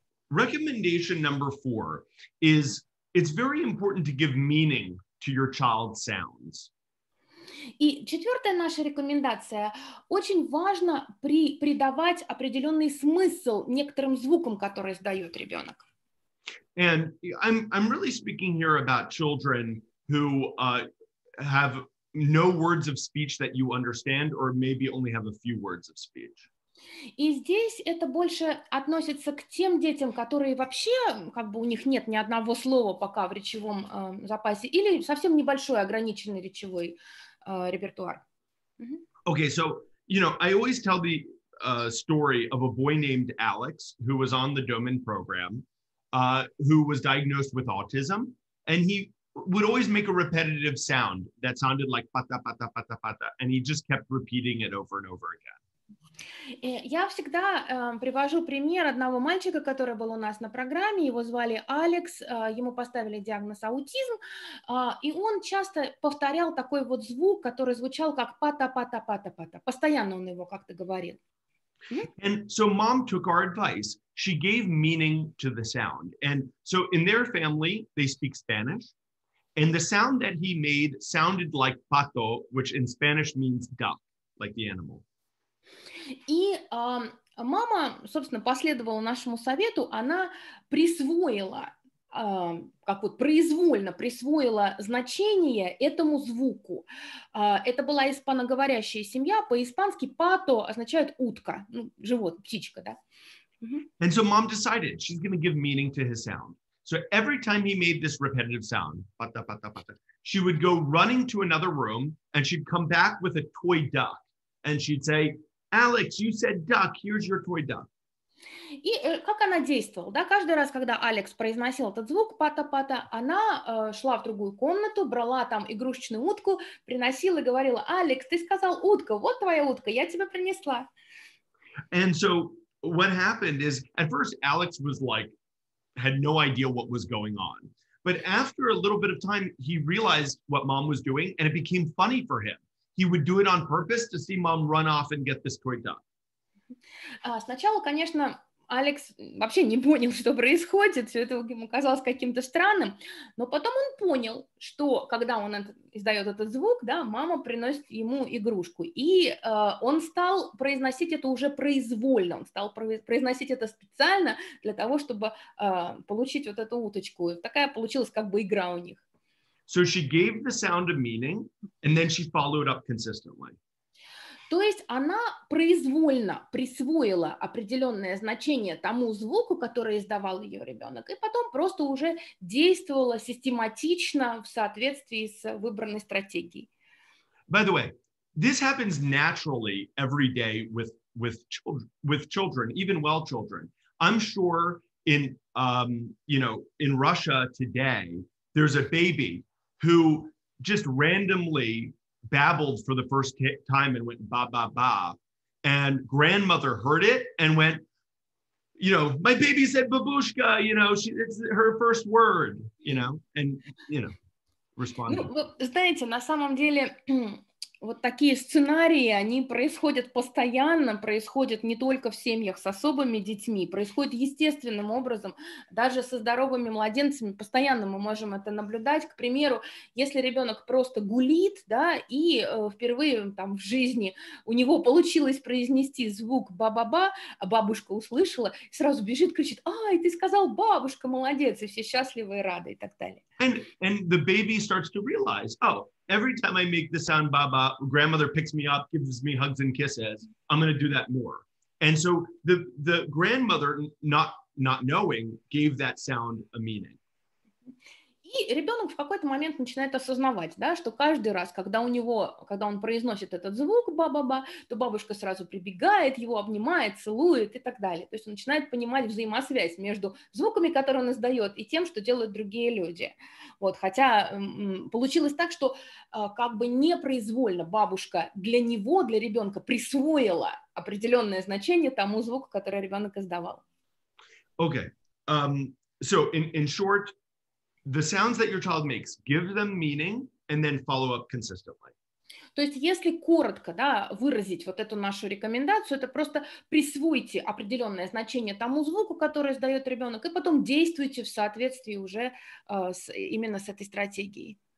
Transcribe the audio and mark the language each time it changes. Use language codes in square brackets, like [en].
[en] Recommendation number four is it's very important to give meaning to your child's sounds. [ru] И четвертая наша рекомендация. Очень важно придавать определенный смысл некоторым звукам, которые издает ребенок. [en] And I'm really speaking here about children who have no words of speech that you understand or maybe only have a few words of speech. [ru] И здесь это больше относится к тем детям, которые вообще, как бы у них нет ни одного слова пока в речевом запасе, или совсем небольшой ограниченный речевой репертуар. [en] Okay, so, you know, I always tell the story of a boy named Alex, who was on the Domen program, who was diagnosed with autism, and he would always make a repetitive sound that sounded like pata pata pata pata, and he just kept repeating it over and over again. [ru] Я всегда привожу пример одного мальчика, который был у нас на программе, его звали Алекс, ему поставили диагноз аутизм, и он часто повторял такой вот звук, который звучал как пата-пата-пата-пата, постоянно он его как-то говорил. [en] And so mom took our advice, she gave meaning to the sound, and so in their family, they speak Spanish, and the sound that he made sounded like pato, which in Spanish means duck, like the animal. [ru] И мама, собственно, последовала нашему совету, она присвоила как вот произвольно присвоила значение этому звуку. Это была испаноговорящая семья. По-испански «пато» означает утка, ну, живот, птичка, да? [en] And so mom decided she's going to give meaning to his sound. So every time he made this repetitive sound, pata, pata, pata, she would go running to another room and she'd come back with a toy duck. And she'd say, Alex, you said duck, here's your toy duck. [ru] И как она действовала? Да, каждый раз, когда Алекс произносил этот звук пата-пата, она шла в другую комнату, брала там игрушечную утку, приносила и говорила: Алекс, ты сказал утка, вот твоя утка, я тебе принесла. [en] And so what happened is, at first Alex was like, had no idea what was going on. But after a little bit of time, he realized what mom was doing, and it became funny for him. He would do it on purpose to see mom run off and get this toy done. [ru] Сначала, конечно, Алекс вообще не понял, что происходит, все это ему казалось каким-то странным, но потом он понял, что когда он издает этот звук, да, мама приносит ему игрушку, и он стал произносить это уже произвольно, он стал произносить это специально для того, чтобы получить вот эту уточку, и такая получилась как бы игра у них. [en] So she gave the sound a meaning, and then she followed up consistently. [ru] То есть она произвольно присвоила определенное значение тому звуку, который издавал ее ребенок, и потом просто уже действовала систематично в соответствии с выбранной стратегией. [en] By the way, this happens naturally every day with children, even well children. I'm sure in Russia today, there's a baby who just randomly babbled for the first time and went ba ba ba, and grandmother heard it and went, you know, my baby said babushka, you know, she, it's her first word, you know, and you know, responded. [ru] Ну, вы знаете, на самом деле вот такие сценарии, они происходят постоянно, происходят не только в семьях с особыми детьми, происходят естественным образом, даже со здоровыми младенцами, постоянно мы можем это наблюдать. К примеру, если ребенок просто гулит, да, и впервые там в жизни у него получилось произнести звук ба-ба-ба, а бабушка услышала, сразу бежит, кричит: «Ай, ты сказал бабушка, молодец!» И все счастливы и рады, и так далее. [en] And the baby starts to realize, oh, every time I make the sound ba-ba, grandmother picks me up, gives me hugs and kisses, I'm going to do that more. And so the grandmother, not knowing, gave that sound a meaning. [ru] И ребенок в какой-то момент начинает осознавать, да, что каждый раз, когда он произносит этот звук ба-ба-ба, то бабушка сразу прибегает, его обнимает, целует и так далее. То есть он начинает понимать взаимосвязь между звуками, которые он издает, и тем, что делают другие люди. Вот, хотя получилось так, что как бы непроизвольно бабушка для него, для ребенка, присвоила определенное значение тому звуку, который ребенок издавал. [en] Okay. So in short, the sounds that your child makes, give them meaning and then follow up consistently. [ru] То есть, если коротко, да, выразить вот эту нашу рекомендацию, это просто присвойте определенное значение тому звуку, который издает ребенок, и потом действуйте в соответствии уже именно с этой стратегией.